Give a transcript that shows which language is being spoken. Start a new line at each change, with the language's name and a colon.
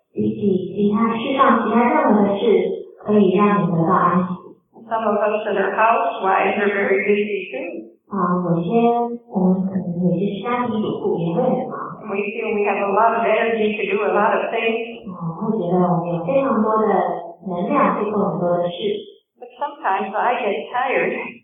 Chinese: 比起其他世上其他任何的事可以让你得到安息。
English: Some of us that are housewives are very busy too.
Chinese: 有些我们可能有些家庭主妇也会很忙。
English: We feel we have a lot of energy to do a lot of things.
Chinese: 会觉得我们有非常多的能量去做很多的事。
English: But sometimes I get tired.